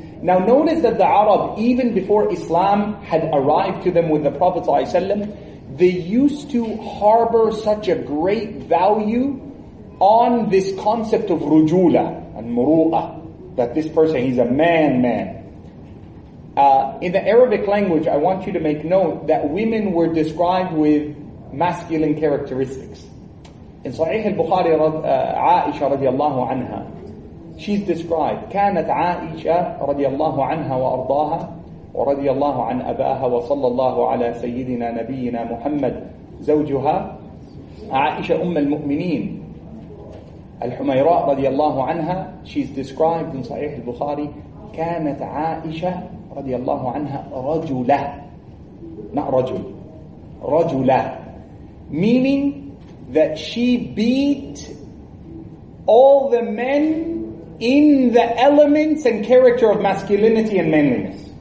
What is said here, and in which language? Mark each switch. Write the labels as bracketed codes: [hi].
[en] Now notice that the Arab, even before Islam had arrived to them with the Prophet ﷺ, they used to harbor such a great value on this concept of rujula and muru'ah, that this person, he's a man. In the Arabic language, I want you to make note that women were described with masculine characteristics. [ar] In Sahih al-Bukhari, Aisha radiallahu anha, she's described, كانت عائشة رضي الله عنها وأرضاها ورضي الله عن أباها وصلى الله على سيدنا نبينا محمد زوجها عائشة أم المؤمنين الحميراء رضي الله عنها. [en] She's described in Sahih al-Bukhari, كانت عائشة رضي الله عنها رجلة, not رجل, رجلة, meaning that she beat all the men in the elements and character of masculinity and manliness.